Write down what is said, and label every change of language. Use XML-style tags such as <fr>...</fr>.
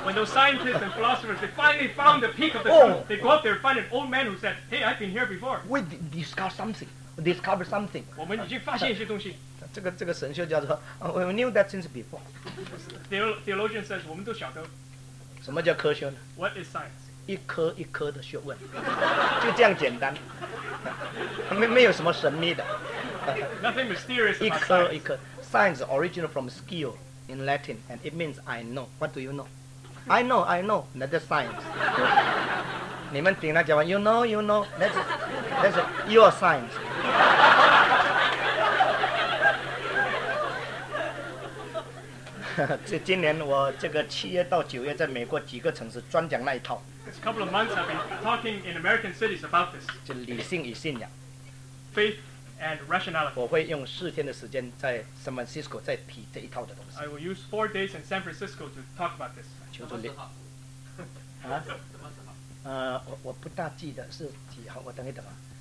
<en>When those scientists and philosophers They finally found the peak of the truth They go up there and find an old man who said Hey I've been here before We discovered something We discovered something</en> <zh>我们已经发现一些东西这个神学家说</zh> <en>We knew that since before Theologian says</en> <zh>我们都晓得什么叫科学呢</zh> <en>What is science?</en> <zh>一颗一颗的学问就这样简单没有什么神秘的</zh> <en>Nothing mysterious about</en> <zh>一颗一颗</zh> <en>Science originated from skill in Latin And it means I know What do you know? I know That's science</en> <zh>你们听他讲完</zh> <en>You know That's your science</en> <zh>今年我这个七月到九月在美国几个城市专讲那一套</zh> <en>It's a couple of months I've been talking in American cities about this.</en> <zh>就理性与信仰</zh> <en>Faith and rationality.</en> <zh>我会用四天的时间在 San Francisco 再提这一套的东西</zh> <en>I will use 4 days in San Francisco to talk about this.</en> <zh>求助你。什么时候？我不大记得是几号，我等一等啊。</zh>